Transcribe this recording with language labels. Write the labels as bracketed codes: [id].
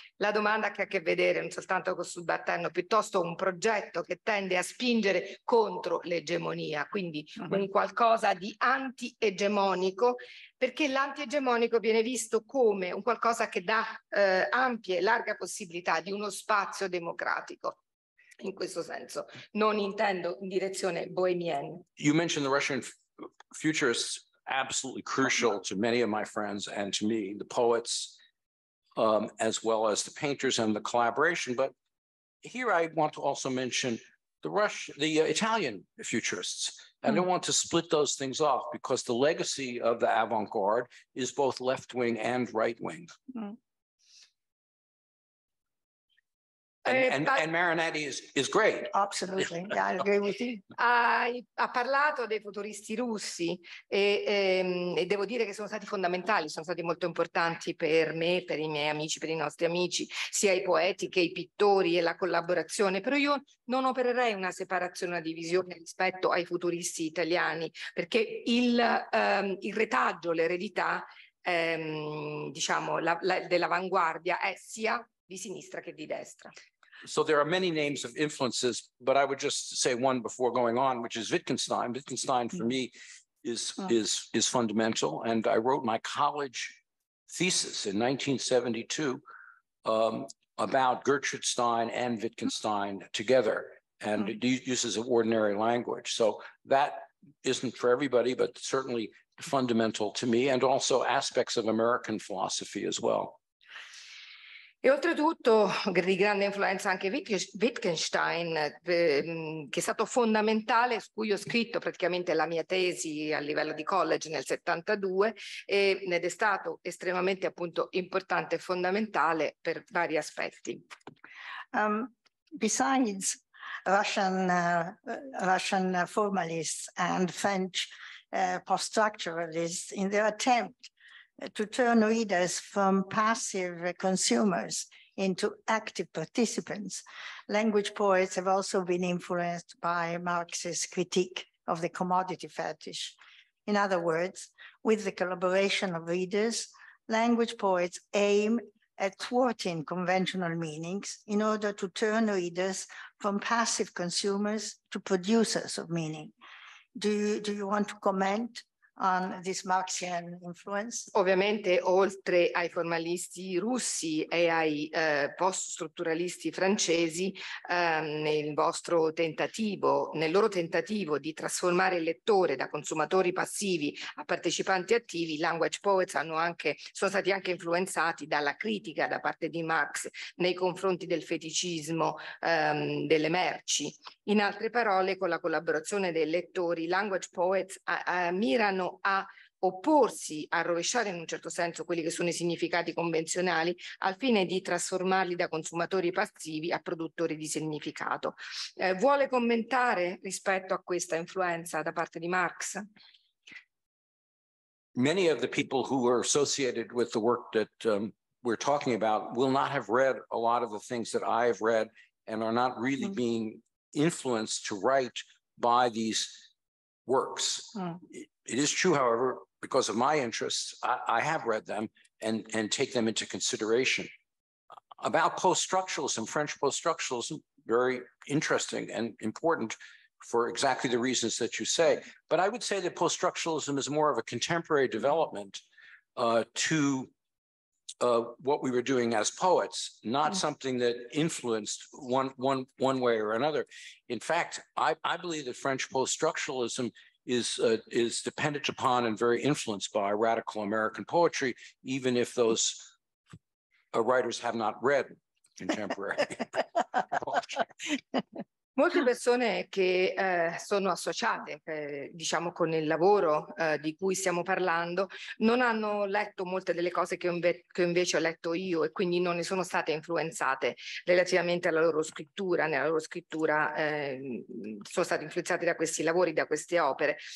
[it] La domanda che ha a che vedere non soltanto con subalterno, piuttosto un progetto che tende a spingere contro l'egemonia, quindi un qualcosa di anti-egemonico, perché l'anti-egemonico viene visto come un qualcosa che dà ampie, larga possibilità di uno spazio democratico. In questo senso, non intendo in direzione bohemian. [en] You mentioned the Russian futurists, absolutely crucial to many of my friends and to me, the poets, as well as the painters and the collaboration. But here I want to also mention the Italian futurists. And I want to split those things off because the legacy of the avant-garde is both left-wing and right-wing. And Marinetti is great. Absolutely, yeah, I agree with you. [it] Ha parlato dei futuristi russi e devo dire che sono stati fondamentali, sono stati molto importanti per me, per i miei amici, per i nostri amici, sia i poeti che i pittori e la collaborazione. Però io non opererei una separazione, una divisione rispetto ai futuristi italiani, perché il retaggio, l'eredità, diciamo, dell'avanguardia è sia di sinistra che di destra. [en] So there are many names of influences, but I would just say one before going on, which is Wittgenstein. Wittgenstein for me is fundamental. And I wrote my college thesis in 1972 about Gertrude Stein and Wittgenstein together, and it uses ordinary language. So that isn't for everybody, but certainly fundamental to me, and also aspects of American philosophy as well. [it] E oltretutto di grande influenza anche Wittgenstein, che è stato fondamentale, su cui ho scritto praticamente la mia tesi a livello di college nel 72, ed è stato estremamente appunto importante e fondamentale per vari aspetti. [en] Besides Russian formalists and French post-structuralists in their attempt to turn readers from passive consumers into active participants, language poets have also been influenced by Marx's critique of the commodity fetish. In other words, with the collaboration of readers, language poets aim at thwarting conventional meanings in order to turn readers from passive consumers to producers of meaning. Do you want to comment on this Marxian influence? [it] Ovviamente, oltre ai formalisti russi e ai post-strutturalisti francesi, nel loro tentativo di trasformare il lettore da consumatori passivi a partecipanti attivi, language poets sono stati anche influenzati dalla critica da parte di Marx nei confronti del feticismo delle merci. In altre parole, con la collaborazione dei lettori, language poets mirano a opporsi, a rovesciare in un certo senso quelli che sono i significati convenzionali, al fine di trasformarli da consumatori passivi a produttori di significato. Vuole commentare rispetto a questa influenza da parte di Marx? [en] Many of the people who were associated with the work that we're talking about will not have read a lot of the things that I have read and are not really mm. being influenced to write by these works. Mm. It is true, however, because of my interests, I have read them and take them into consideration. About post-structuralism, French post-structuralism, very interesting and important for exactly the reasons that you say. But I would say that post-structuralism is more of a contemporary development to what we were doing as poets, not mm-hmm. something that influenced one way or another. In fact, I believe that French post-structuralism is dependent upon and very influenced by radical American poetry, even if those writers have not read contemporary poetry. [it] Molte persone che sono associate, diciamo, con il lavoro di cui stiamo parlando, non hanno letto molte delle cose che invece ho letto io e quindi non ne sono state influenzate relativamente alla loro scrittura. Nella loro scrittura sono state influenzate da questi lavori, da queste opere.